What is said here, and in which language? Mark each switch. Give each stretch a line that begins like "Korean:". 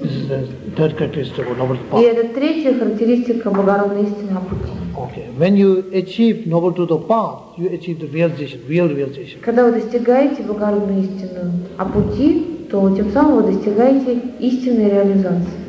English: This is the third characteristic of noble path.
Russian: И это третья характеристика благородной истинного пути.
English: Okay. When you achieve noble truth of path, you achieve the realization, real realization.
Russian: Когда вы достигаете благородную истину о пути, то тем самым вы достигаете истинной реализации.